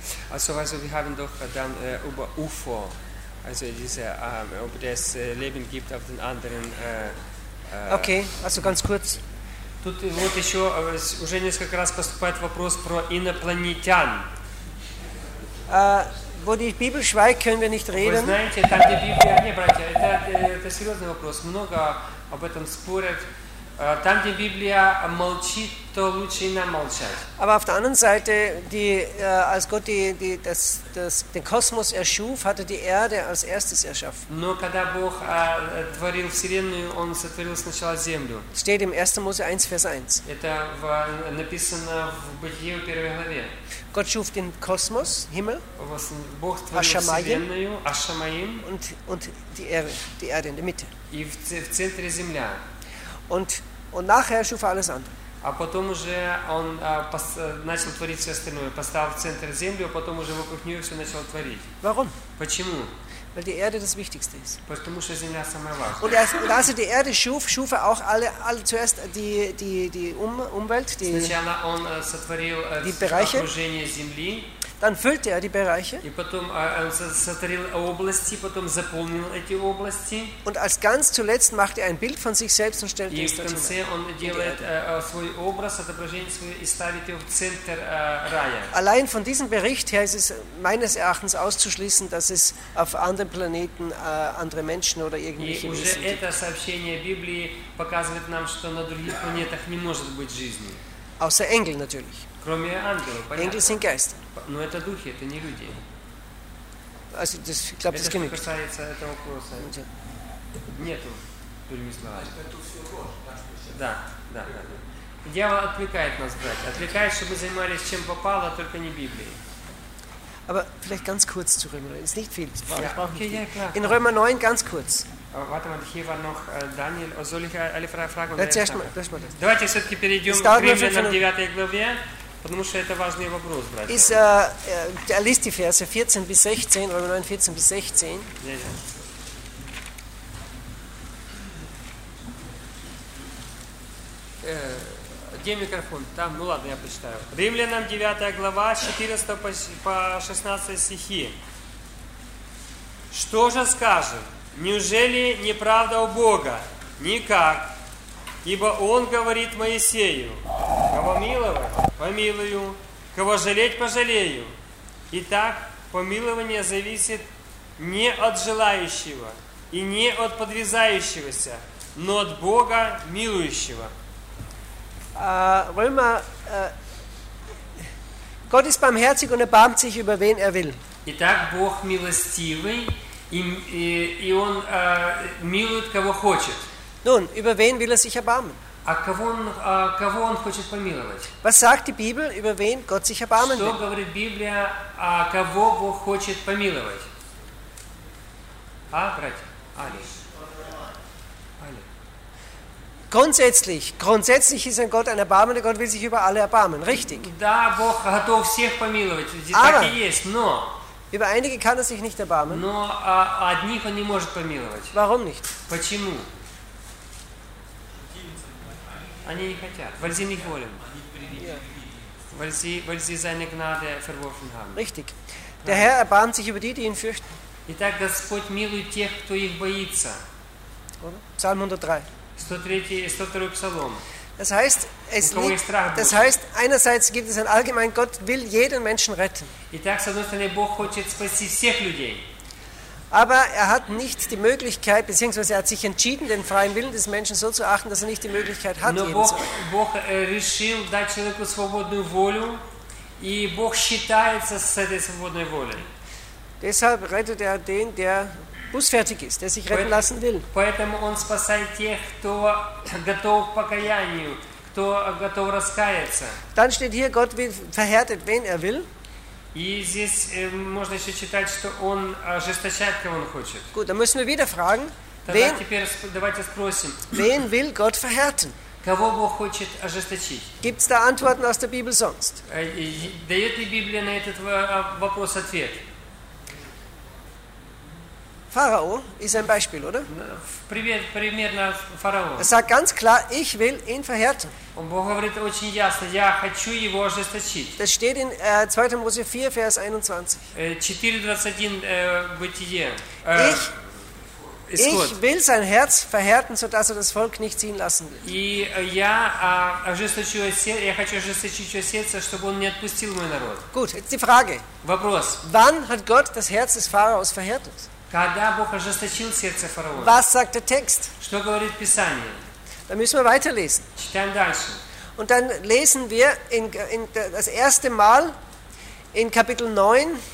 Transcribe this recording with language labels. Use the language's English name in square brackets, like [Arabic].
[German] Also wir haben doch dann über UFO, also diese, ob es Leben gibt auf den anderen. Okay, also ganz kurz. [Russian] Тут вот еще уже несколько раз поступает вопрос про инопланетян. [German] Wo die Bibel schweigt, können wir nicht reden. [Russian] Вы знаете, там где Библия, не, братья, это серьезный вопрос. Много об этом спорят. Там где Библия молчит, то лучше и нам молчать. [German] Aber auf der anderen Seite, als Gott den Kosmos erschuf, hat die Erde als erstes erschaffen. [Russian] Но когда Бог творил вселенную, Он сотворил сначала землю. [German] Steht im 1. Mose 1, Vers 1. [Russian] Это написано в Бытие в первой главе. [German] Gott schuf den Kosmos, Himmel, [Russian] Бог творил вселенную, Ашамаим, [German] und die Erde in der Mitte. [Russian] И в центре земля. [German] Und nachher schuf er alles andere. [Russian] А потом уже он начал творить все остальное, поставил в центр землю, а потом уже вокруг нее все начал творить. [German] Warum? [Russian] Почему? [German] Weil die Erde das Wichtigste ist. [Russian] Потому что земля самая важная. [German] Und als er die Erde schuf, schuf er auch alle zuerst die Umwelt, die [Russian] сначала он сотворил [German] die Bereiche. [Russian] Окружение земли. [German] Dann füllte er die Bereiche. [Russian] И потом он сотворил области, потом заполнил эти области. [German] Und als ganz zuletzt macht er ein Bild von sich selbst und stellt es dorthin. [Russian] И в конце он делает свой образ, отображение свое и ставит его в центр рая. [German] Allein von diesem Bericht her ist es meines Erachtens auszuschließen, dass es auf anderen Planeten andere Menschen oder irgendwelche Wesen gibt. [Russian] И уже это сообщение Библии показывает нам, что на других планетах не может быть жизни. [German] Außer Engel natürlich. [Russian] Кроме ангелов, понятно. [German] Engel sind Geister. [Russian] Но это духи, это не люди. [German] Also, das, ich glaub, [Russian] это [German] das genügt. [Russian] Касается этого вопроса. Нету другими словами. Да. Дьявол отвлекает нас, братья. Отвлекает, чтобы мы занимались чем попало, только не Библией. [German] Aber vielleicht ganz kurz zu Römer 9. Ist nicht viel. Okay, in Römer 9 ganz kurz. Warte mal, hier war noch Daniel. Soll ich alle Fragen? [Russian] Давайте все-таки перейдем к Римлянам 9 главе. Потому что это важный вопрос, братья. [German] Is der liest die Verse 14 bis 16, Römer 9, 14 bis 16. [Russian] Где микрофон? Там, ну ладно, я прочитаю. Римлянам 9 глава, 14 по 16 стихи. Что же скажем? Неужели неправда у Бога? Никак. Ибо Он говорит Моисею, кого миловать, помилую, кого жалеть, пожалею. Итак, помилование зависит не от желающего и не от подвязающегося, но от Бога милующего. [German] Römer, Gott ist barmherzig und erbarmt sich über wen er will. [Russian] Итак, Бог милостивый, и Он милует, кого хочет. [German] Nun, über wen will er sich erbarmen? [Russian] Кого он хочет помиловать? [German] Was sagt die Bibel, über wen Gott sich erbarmen will? [Russian] Что говорит Библия, кого Бог хочет помиловать? А, братья? Али. [German] Grundsätzlich ist ein Gott ein erbarmender Gott, will sich über alle erbarmen, richtig? [Russian] Да, Бог готов всех помиловать, так и есть, но... [German] Über einige kann er sich nicht erbarmen. [Russian] Но одних он не может помиловать. [German] Warum nicht? [Russian] Почему? Они не хотят. [German] Weil sie nicht wollen. Weil sie seine Gnade verworfen haben. Richtig. Der Herr erbarmt sich über die, die ihn fürchten. [Russian] Итак, Господь милует тех, кто их боится. [German] Psalm 103. [Russian] 103 Psalm. [German] Das heißt, es liegt, das heißt, einerseits gibt es ein allgemein, Gott will jeden Menschen retten. [Russian] Итак, с одной стороны, Бог хочет спасти всех людей. [German] Aber er hat nicht die Möglichkeit, beziehungsweise er hat sich entschieden, den freien Willen des Menschen so zu achten, dass er nicht die Möglichkeit hat, ihn zu retten. [Russian] Бог решил дать человеку свободную волю, и Бог считается с этой свободной волей. [German] Deshalb rettet er den, der bußfertig ist, der sich retten lassen will. [Russian] Поэтому он спасает тех, кто готов к покаянию, кто готов раскаяться. [German] Dann steht hier, Gott verhärtet, wen er will. [Russian] И здесь можно еще читать, что он ожесточает, кого он хочет. [German] Gut, dann müssen wir wieder fragen, [Russian] давайте спросим, [German] wen will Gott verhärten? [Russian] Кого Бог хочет ожесточить? [German] Gibt es da Antworten aus der Bibel sonst? [Russian] Дает ли Библия на этот вопрос ответ? [German] Pharao ist ein Beispiel, oder? [Russian] Пример на Фараон. [German] Er sagt ganz klar, ich will ihn verhärten. [Russian] Und Бог говорит очень ясно, я хочу его ожесточить. [German] Das steht in 2. Mose 4, Vers 21. [Russian] 4:21 Бытие. [German] Ich will sein Herz verhärten, sodass er das Volk nicht ziehen lassen will. [Russian] Я хочу ожесточить его сердце, чтобы он не отпустил мой народ. [German] Gut, jetzt die Frage. [Russian] Вопрос. [German] Wann hat Gott das Herz des Pharaos verhärtet? [Russian] Когда Бог ожесточил сердце фараона? [German] Was sagt der Text? [Russian] Что говорит Писание? [German] Dann müssen wir weiterlesen. [Russian] Читаем дальше. [German] Und dann lesen wir in das erste Mal in Kapitel 9.